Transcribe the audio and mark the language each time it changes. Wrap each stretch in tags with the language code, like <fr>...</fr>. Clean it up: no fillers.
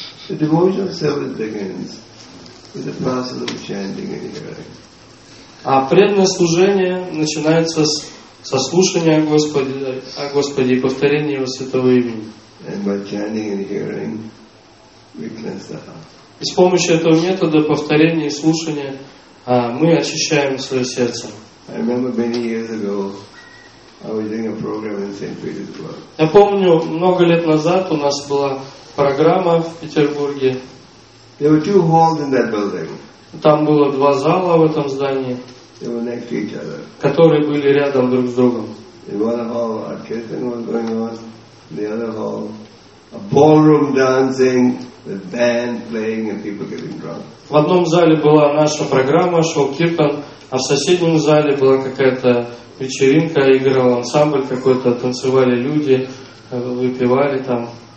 <en>The devotional service begins with the process of chanting and hearing.</en> <ru>А преданное служение начинается со слушания о Господе и повторения Его святого имени.</ru> <en>And by chanting and hearing, we cleanse the heart.</en> <ru>И с помощью этого метода повторения и слушания мы очищаем свое сердце.</ru> <en>I remember many years ago. I was doing a program in St. Petersburg.</en> <ru>Я помню, много лет назад у нас была программа в Петербурге.</ru> <en>There were two halls in that building.</en> <ru>Там было два зала в этом здании.</ru> <en>They were next to each other.</en> <ru>Которые были рядом друг с другом.</ru> <en>In one hall, orchestra was going on. In the other hall, a ballroom dancing with band playing and people getting drunk.</en> <ru>В одном зале была наша программа, шоу киртан, а в соседнем зале была какая-то вечеринка, играл ансамбль какой-то, танцевали люди, выпивали там.</ru>